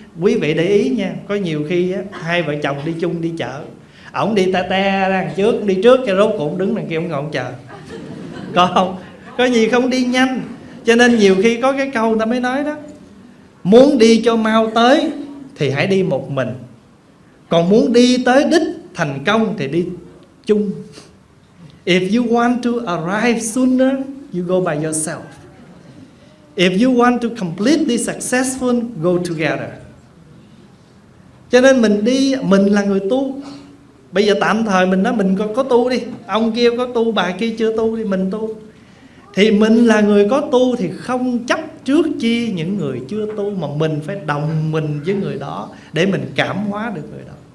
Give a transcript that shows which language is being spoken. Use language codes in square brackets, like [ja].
[vi] Quý vị để ý nha, có nhiều khi á, hai vợ chồng đi chung đi chợ, ổng đi ta te ra trước, đi trước cho rốt cũng đứng đằng kia ổng ngồi chờ. Có không? Có gì không đi nhanh. Cho nên nhiều khi có cái câu ta mới nói đó: muốn đi cho mau tới thì hãy đi một mình, còn muốn đi tới đích thành công thì đi chung. [en] If you want to arrive sooner, you go by yourself. If you want to completely successful, go together. [vi] Cho nên mình đi, mình là người tu. Bây giờ tạm thời mình nói mình có tu đi, ông kia có tu, bà kia chưa tu đi, mình tu. Thì mình là người có tu thì không chấp trước chi những người chưa tu, mà mình phải đồng mình với người đó để mình cảm hóa được người đó.